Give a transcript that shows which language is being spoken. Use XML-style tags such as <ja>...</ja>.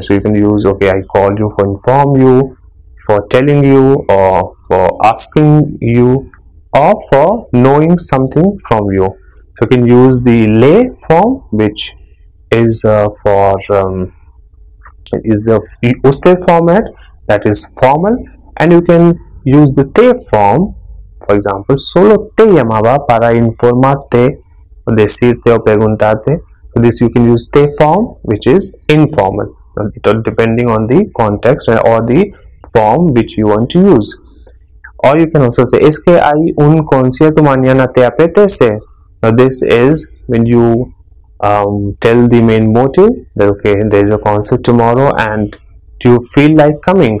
<en>So you can use, okay, I called you for inform you, for telling you, or for asking you, or for knowing something from you. So you can use the le form, which is the usted format, that is formal, and you can use the te form. For example,</en> <es>solo te llamaba para informarte, decirte o preguntarte.</es> <en>So this you can use te form, which is informal, depending on the context or the form which you want to use. Or you can also say,</en> <es>es que hay un concierto mañana, te apetece.</es> <en>Now this is when you tell the main motive, that okay, there is a concert tomorrow and do you feel like coming.</en>